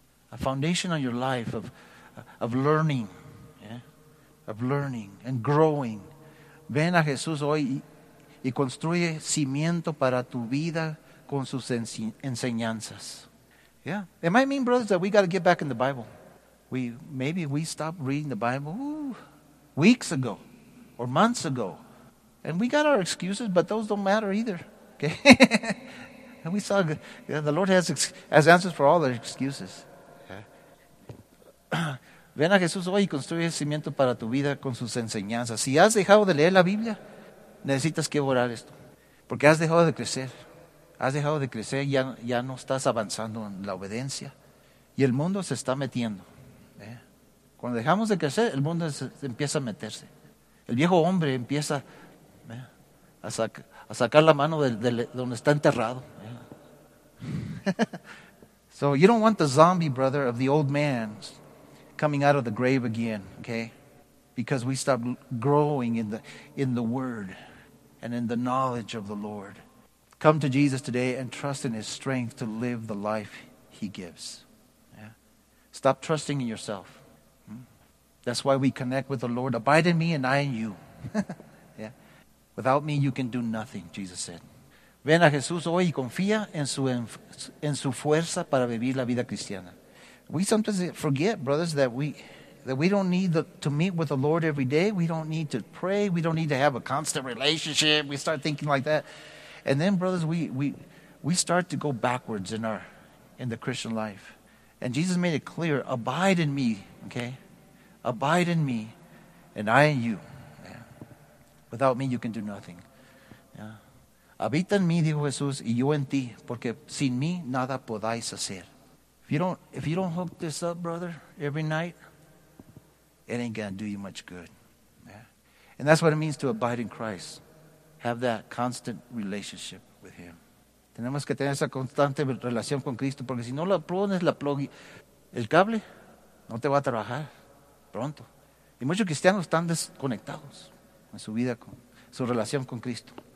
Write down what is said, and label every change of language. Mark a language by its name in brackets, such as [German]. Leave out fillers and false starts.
[English] A foundation on your life of learning, yeah? Of learning and growing. [Spanish] Ven a Jesús hoy y construye cimiento para tu vida con sus enseñanzas. [English] Yeah, it might mean, brothers, that we got to get back in the Bible. Maybe we stopped reading the Bible weeks ago or months ago, and we got our excuses, but those don't matter either. Okay, and we saw the Lord has answers for all the excuses. [Spanish] Ven a Jesús hoy y construye el cimiento para tu vida con sus enseñanzas. Si has dejado de leer la Biblia, necesitas que orar esto. Porque has dejado de crecer. Has dejado de crecer, ya no estás avanzando en la obediencia. Y el mundo se está metiendo. Cuando dejamos de crecer, el mundo empieza a meterse. El viejo hombre empieza a sacar la mano de donde está enterrado. [English] So you don't want the zombie brother of the old man coming out of the grave again, okay? Because we stopped growing in the word and in the knowledge of the Lord. Come to Jesus today and trust in his strength to live the life he gives. Yeah. Stop trusting in yourself. That's why we connect with the Lord. Abide in me and I in you. Yeah. Without me, you can do nothing, Jesus said. [Spanish] Ven a Jesús hoy y confía en su fuerza para vivir la vida cristiana. [English] We sometimes forget, brothers, that we don't need to meet with the Lord every day. We don't need to pray. We don't need to have a constant relationship. We start thinking like that. And then, brothers, we start to go backwards in the Christian life. And Jesus made it clear, abide in me, okay? Abide in me, and I in you. Yeah. Without me, you can do nothing. Yeah. [Spanish] Habita en mí, dijo Jesús, y yo en ti, porque sin mí nada podáis hacer. [English] If you don't hook this up, brother, every night, it ain't gonna do you much good. Yeah. And that's what it means to abide in Christ. Have that constant relationship with him. [Spanish] Tenemos que tener esa constante relación con Cristo, porque si no la pones la plug, el cable no te va a trabajar pronto. Y muchos cristianos están desconectados en su vida con su relación con Cristo.